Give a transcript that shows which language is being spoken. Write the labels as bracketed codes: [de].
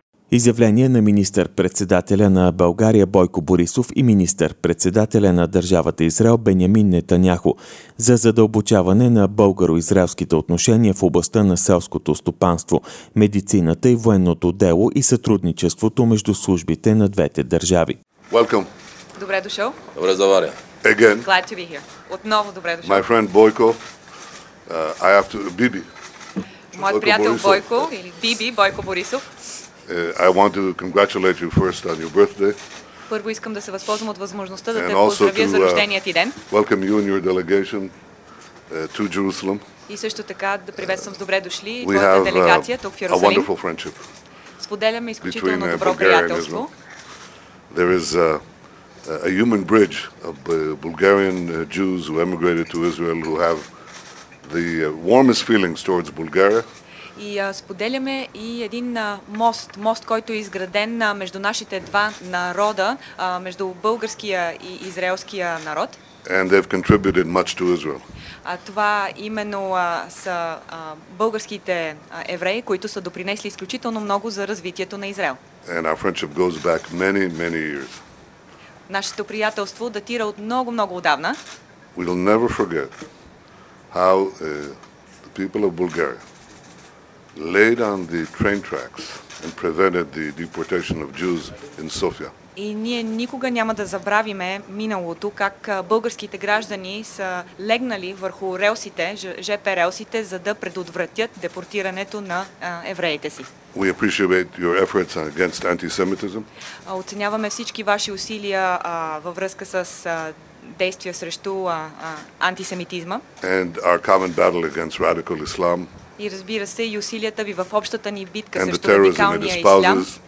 [bg] Изявление на министър-председателя на България Бойко Борисов и министър-председателя на държавата Израел Бенямин Нетаняху за задълбочаване на българо-израелските отношения в областта на селското стопанство, медицината и военното дело и сътрудничеството между службите на двете държави. [en] Welcome. [bg] Добре дошъл. Добре заваря. [en] Again. Glad to be here. [bg] Отново добре дошъл. [en] My friend Бойко, I have to Bibi. [bg] Моят приятел Бойко или Биби Бойко Борисов. [en] I want to congratulate you first on your birthday. [bg] Първо искам да се възползвам от възможността да те поздравя за рождения ти ден. [en] Welcome you and your delegation to Jerusalem. [bg] И също така да приветствам с добре дошли и твоята делегация тук в Йерусалим. [en] A wonderful friendship. [bg] Споделяме изключително добро приятелство. [en] There is a human bridge of Bulgarian Jews who emigrated to Israel who have the warmest feelings towards Bulgaria. [bg] И споделяме и един мост, който е изграден между нашите два народа, между българския и израелския народ. [en] And they've contributed much to Israel. [bg] Това именно са българските евреи, които са допринесли изключително много за развитието на Израел. [en] And our friendship goes back many, many years. [bg] Нашето приятелство датира от много, много отдавна. [en] We will never forget how the people of Bulgaria laid on the train tracks and prevented the deportation of Jews in Sofia. [bg] И ние никога няма да забравиме миналото, как българските граждани са легнали върху релсите, ЖП релсите, за да предотвратят депортирането на евреите си. [en] We appreciate your efforts against anti-Semitism. [bg] Оценяваме всички ваши усилия във връзка с действия срещу антисемитизма. [en] And our common battle against radical Islam. [bg] И разбира се, и усилията ви в общата ни битка срещу радикалния ислам.